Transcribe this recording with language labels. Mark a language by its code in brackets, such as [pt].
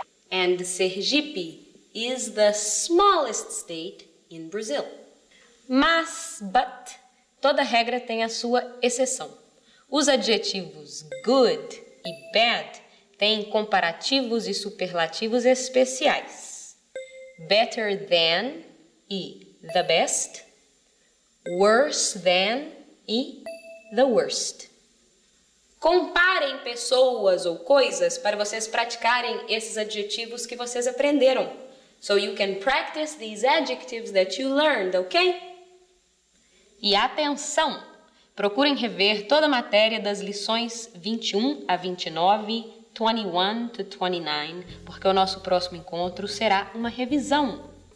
[en] And Sergipe is the smallest state in Brazil. [pt] Mas, but, toda regra tem a sua exceção. Os adjetivos good e bad tem comparativos e superlativos especiais. [en] Better than e the best. Worse than e the worst. [pt] Comparem pessoas ou coisas para vocês praticarem esses adjetivos que vocês aprenderam. [en] So you can practice these adjectives that you learned, ok? [pt] E atenção! Procurem rever toda a matéria das lições 21 a 29 [en] 21 to 29, [pt] porque o nosso próximo encontro será uma revisão.